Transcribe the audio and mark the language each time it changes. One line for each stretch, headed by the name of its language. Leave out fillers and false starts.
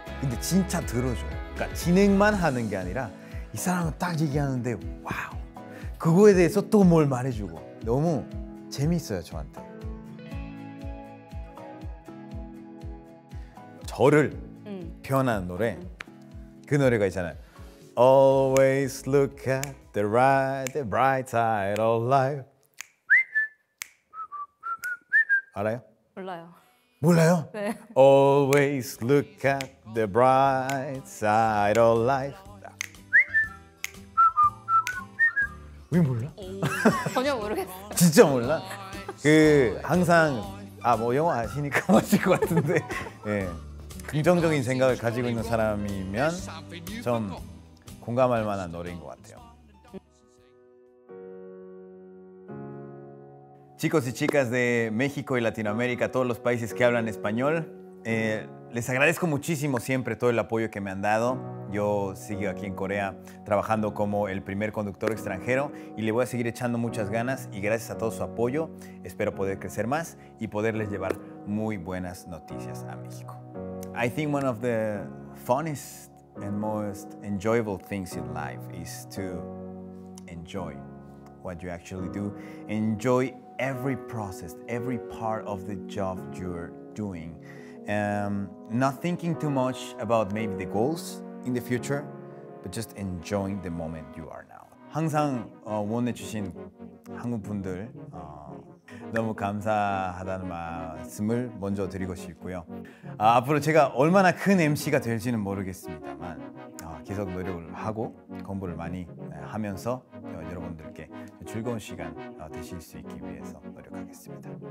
Korean: 근데 진짜 들어줘요. 그러니까 진행만 하는 게 아니라 이 사람은 딱 얘기하는데 와우! 그거에 대해서 또 뭘 말해주고 너무 재밌어요 저한테. 저를 표현한 노래 그 노래가 있잖아요.
English: Always look at the bright side of life.
Korean: 알아요? 몰라요. 몰라요? 네.
English: Always look at the bright side of life.
Korean: 왜 몰라? 전혀 모르겠어. 진짜 몰라? 그 항상 아 뭐 영어 아시니까 맞을 것 같은데 예. 긍정적인 생각을 가지고 있는 사람이면 좀 공감할 만한 노래인 것 같아요.
Spanish: Chicos y chicas de México y Latinoamérica, todos los países que hablan español, les agradezco muchísimo siempre todo el apoyo que me han dado. Yo sigo aquí en Corea trabajando como el primer conductor extranjero y le voy a seguir echando muchas ganas y gracias a todo su apoyo, espero poder crecer más y poderles llevar muy buenas noticias a México.
English: I think one of the funnest and most enjoyable things in life is to enjoy what you actually do. Enjoy every process, every part of the job you're doing. Not thinking too much about maybe the goals in the future, but just enjoying the moment you are now.
Korean: 항상 원해 주신 한국 분들 너무 감사하다는 말씀을 먼저 드리고 싶고요. 앞으로 제가 얼마나 큰 MC가 될지는 모르겠습니다만 계속 노력을 하고 공부를 많이 하면서 여러분들께 즐거운 시간 되실 수 있기 위해서 노력하겠습니다.